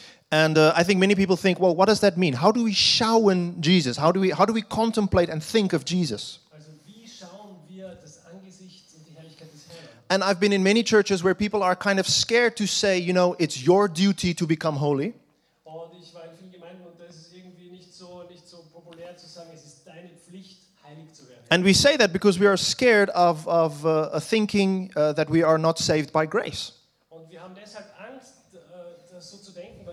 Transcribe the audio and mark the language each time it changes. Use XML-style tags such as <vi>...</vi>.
<en>And I think many people think, well, what does that mean? How do we schauen Jesus? How do we contemplate and think of Jesus?</en> <de>Also, wie schauen wir das Angesicht und die Herrlichkeit des Herrn?</de> <en>And I've been in many churches where people are kind of scared to say, you know, it's your duty to become holy.</en> <de>Und ich war in vielen Gemeinden und das ist irgendwie nicht so populär zu sagen, es ist deine Pflicht, heilig zu werden.</de> <en>And we say that because we are scared of thinking that we are not saved by grace.</en> <de>Und wir haben deshalb Angst, das so zu denken.</de>